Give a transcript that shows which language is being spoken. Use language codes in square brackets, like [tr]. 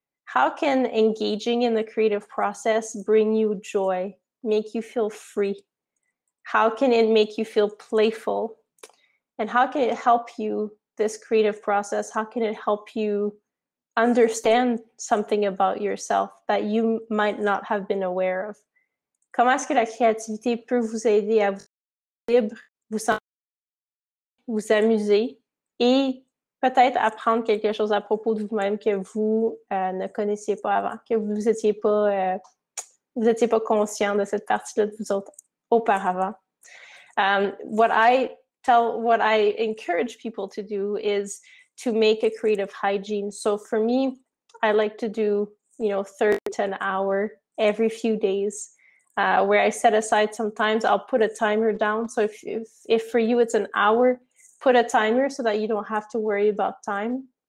[en] How can engaging in the creative process bring you joy, make you feel free? How can it make you feel playful? And how can it help you, this creative process, how can it help you understand something about yourself that you might not have been aware of? [fr] Comment est-ce que la créativité peut vous aider à vous sentir libre, vous sentir, vous amuser et peut-être apprendre quelque chose à propos de vous-même que vous ne connaissiez pas avant, que vous n'étiez pas conscient de cette partie-là de vous autres auparavant. [en] What I encourage people to do is to make a creative hygiene. So for me, I like to do, 30 to an hour every few days. Where I set aside sometimes, I'll put a timer down. So if for you it's an hour, put a timer so that you don't have to worry about time.